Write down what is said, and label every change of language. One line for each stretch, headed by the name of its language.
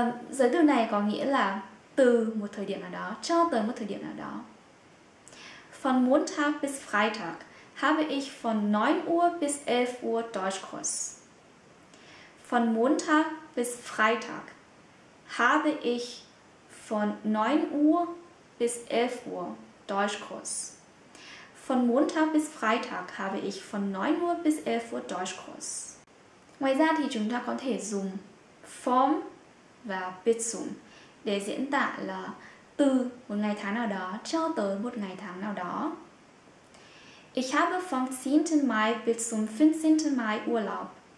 Vietnamese: Giới từ này có nghĩa là từ một thời điểm nào đó, cho tới một thời điểm nào đó.
German: Von Montag bis Freitag habe ich von 9 Uhr bis 11 Uhr Deutschkurs. Von Montag bis Freitag habe ich von 9 Uhr bis 11 Uhr Deutschkurs. Von Montag bis Freitag habe ich von 9 Uhr bis 11 Uhr Deutschkurs.
Vietnamese: Ngoài ra thì chúng ta có thể dùng vom và bezum để diễn tả là từ một ngày tháng nào đó cho tới một ngày tháng nào đó.
German: Ich habe vom 10. Mai bis zum 15. Mai Urlaub.